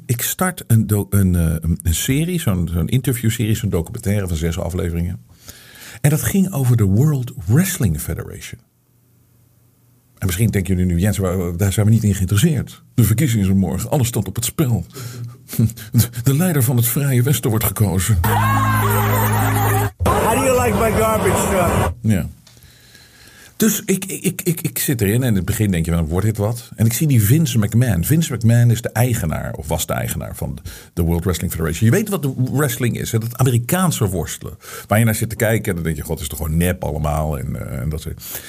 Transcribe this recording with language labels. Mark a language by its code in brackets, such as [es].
[nl] Ik start een serie, zo'n interviewserie, zo'n documentaire van 6 afleveringen. En dat ging over de World Wrestling Federation. En misschien denken jullie nu, Jens, daar zijn we niet in geïnteresseerd. De verkiezingen zijn morgen, alles staat op het spel. De leider van het Vrije Westen wordt gekozen. [en] How do you like my garbage truck? [nl] Ja. Dus ik zit erin en in het begin denk je, wordt dit wat? En ik zie die Vince McMahon. Vince McMahon is de eigenaar, of was de eigenaar van de World Wrestling Federation. Je weet wat de wrestling is, hè? Dat Amerikaanse worstelen. Waar je naar zit te kijken en dan denk je, god, is toch gewoon nep allemaal? En dat soort.